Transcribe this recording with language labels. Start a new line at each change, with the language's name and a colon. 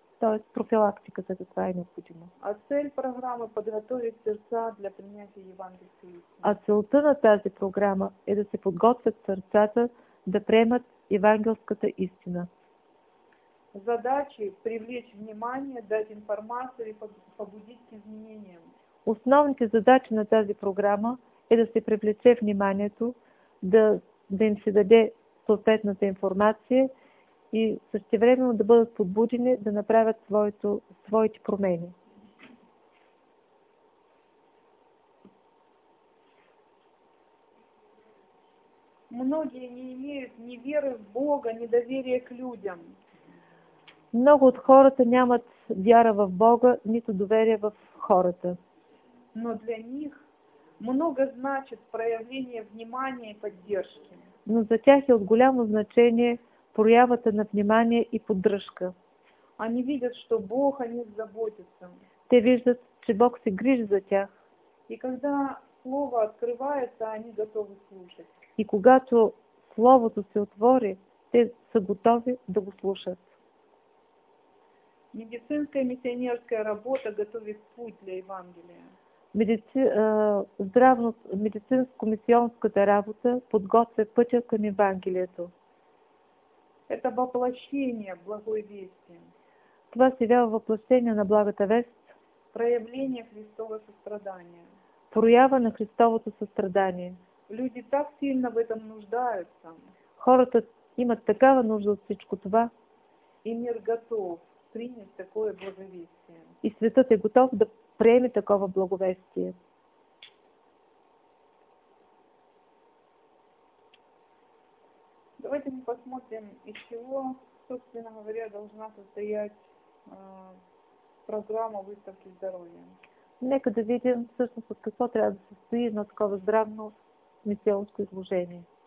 Bulgarian: Тоест профилактиката, за това е необходимо.
Russian: А цель програмы – подготовить сердца для принятия евангельской истины.
Bulgarian: А целта на тази програма е да се подготвят сърцата да приемат евангелската истина.
Russian: Задачи – привлечь внимание, дать информацию и побудить к изменениям.
Bulgarian: Основните задачи на тази програма е да се привлече вниманието, да им се даде съответната информация и същевременно да бъдат подбудени да направят своите промени.
Russian: Многие не имеют ни веры в Бога, ни доверия к людям.
Bulgarian: Много от хората нямат вяра в Бога, нито доверие в хората.
Russian: Но для них много значит проявление внимания и поддержки.
Bulgarian: Но за тях е от голямо значение проявата на внимание и поддръжка.
Russian: Они видят, что Бог о них заботится.
Bulgarian: Те виждат, че Бог се грижи за тях.
Russian: И когда слово открывается, они готовы слушать.
Bulgarian: И когато словото се отвори, те са готови да го слушат.
Russian: Медицинская миссионерская работа готовит путь для Евангелия.
Bulgarian: Медицинско-мисионската работа подготвя пътя към Евангелието.
Russian: Это воплощение благой вести.
Bulgarian: Това се явява въплъщение на благата вест.
Russian: Проявление Христово състрадание.
Bulgarian: Проява на Христовото състрадание.
Russian: Люди так сильно в этом нуждаются.
Bulgarian: Хората имат такава нужда от всичко това.
Russian: И мир готов принять такое благовестие.
Bulgarian: И светът е готов да приеме такова благовестие.
Russian: Давайте мы посмотрим, из чего, собственно говоря, должна состоять программа выставки здоровья.
Bulgarian: Нека да видим, всъщност, от какво трябва да състои на такова здравно мисионско изложение.